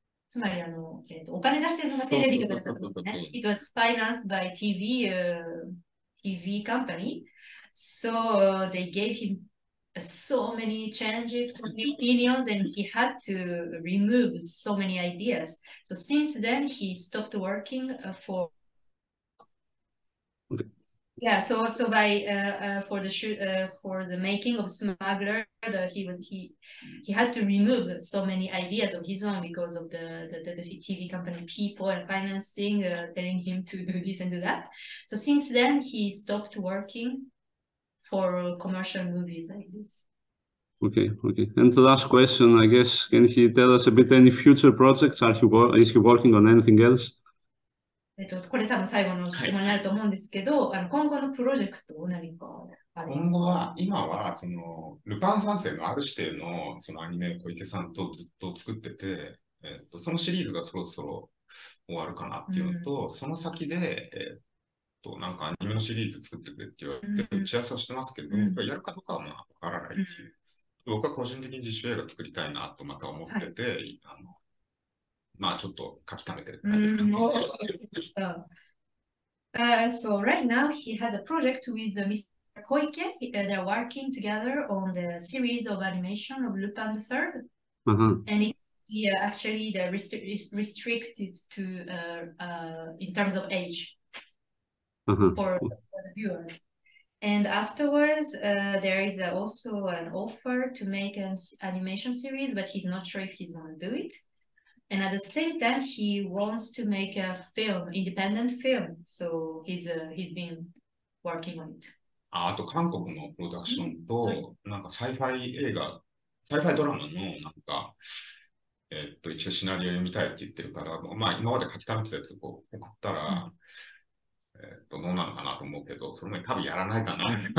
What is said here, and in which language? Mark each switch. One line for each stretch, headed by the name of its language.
Japanese: つまりあの、お金出してるのがテレビだったのね。
English: It was financed by TV, TV company. So they gave him so many changes, many opinions, and he had to remove so many ideas. So since then, he stopped working for. Yeah, so also by for the shoot for the making of Smuggler, he had to remove so many ideas of his own because of the TV company people and financing telling him to do this and do that. So since then he stopped working for commercial movies like this. Okay, okay. And the last question, I guess, can he tell us a bit any future projects? Is he working on anything else?
Japanese: これ多分最後の質問になると思うんですけど、はい、あの今後のプロジェクトを何かありますか？今後は、今はそのルパン三世のある指定 の, そのアニメ小池さんとずっと作ってて、そのシリーズがそろそろ終わるかなっていうのと、うん、その先で、なんかアニメのシリーズ作ってくれって言われて打ち合わせをしてますけど、うん、やるかどうかはまあ分からないっていう、うん、僕は個人的に自主映画作りたいなとまた思ってて、はい、あのまあちょっと書き溜めてるって感じですかね。
English: So right now he has a project with Mr. Koike. They're working together on the series of animation of Lupin the Third. And he actually restricted to in terms of age for the viewers. And afterwards, there is also an offer to make an animation series, but he's not sure if he's going to do it. And at the same time, he wants to make a film, independent film. So he's been working on it.
Japanese: あ, あと韓国のプロダクションと、なんかサイファイ映画、サイファイドラマのなんか、一応シナリオ読みたいって言ってるから、まあ今まで書き溜めてたやつを送ったら、どうなのかなと思うけど、それも多分やらないかな。